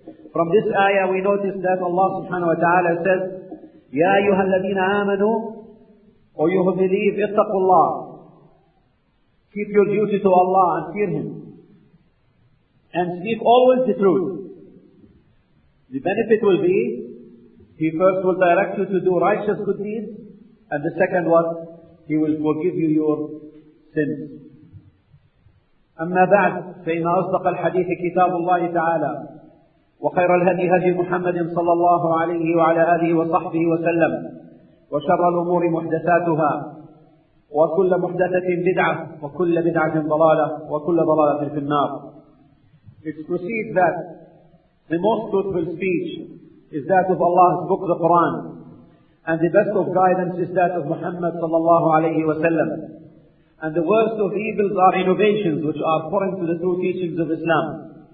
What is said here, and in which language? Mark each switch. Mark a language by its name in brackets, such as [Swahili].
[English] From this ayah we notice that Allah subhanahu wa ta'ala says, [Arabic] يَا أَيُّهَا الَّذِينَ آمَنُوا [English] O you who believe, [Arabic] اتَّقُوا اللَّهِ [English] Keep your duty to Allah and fear Him. And speak always the truth. The benefit will be, He first will direct you to do righteous good deeds, and the second one, He will forgive you your sins. [Arabic] أَمَّا بَعْدْ فَإِنَّ أَصْدَقَ الْحَدِيثِ كِتَابُ اللَّهِ تَعَالَى وخير الهدي هدي محمد صلى الله عليه وعلى آله وصحبه وسلم وشر الأمور محدثاتها وكل محدثة بدعة وكل بدعة ضلالة وكل ضلالة في النار. [English] It's perceived that the most truthful speech is that of Allah's book, the Quran, and the best of guidance is that of Muhammad [Arabic] صلى الله عليه وسلم, [English] and the worst of evils are innovations which are foreign to the true teachings of Islam.